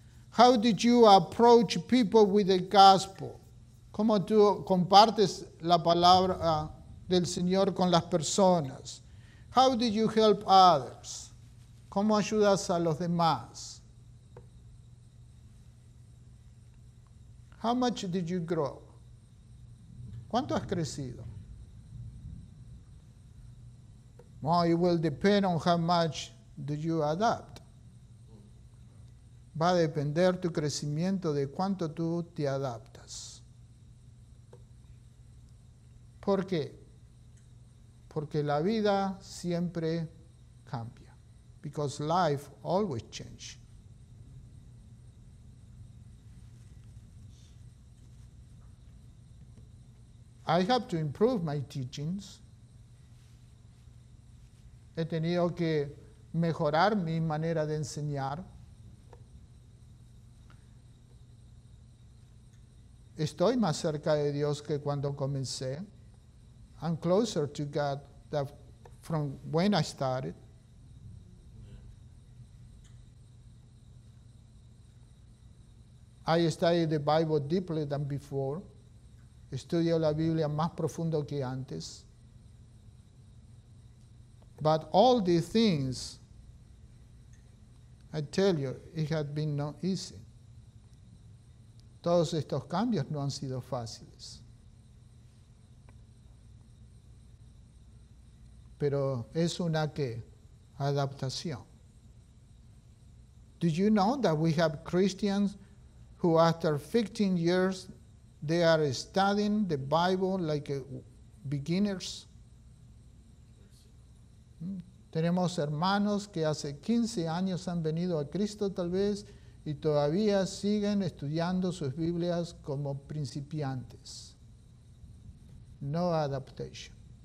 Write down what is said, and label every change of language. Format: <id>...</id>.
<en>How did you approach people with the gospel?</en> <es>¿Cómo tú compartes la palabra del Señor con las personas?</es> <en>How did you help others?</en> <es>¿Cómo ayudas a los demás?</es> <en>How much did you grow?</en> <es>¿Cuánto has crecido?</es> <en>Well, it will depend on how much do you adapt.</en> <es>Va a depender tu crecimiento de cuánto tú te adaptas. ¿Por qué? Porque la vida siempre cambia.</es> <en>Because life always changes. I have to improve my teachings.</en> <es>He tenido que mejorar mi manera de enseñar. Estoy más cerca de Dios que cuando comencé.</es> <en>I'm closer to God than from when I started. I studied the Bible deeply than before.</en> <es>Estudio la Biblia más profundo que antes.</es> <en>But all these things, I tell you, it had been not easy.</en> <es>Todos estos cambios no han sido fáciles. Pero es una ¿qué? Adaptación.</es> <en>Do you know that we have Christians who after 15 years, they are studying the Bible like beginners?</en> <es>Tenemos hermanos que hace 15 años han venido a Cristo tal vez y todavía siguen estudiando sus Biblias como principiantes.</es> <en>No adaptation.</en>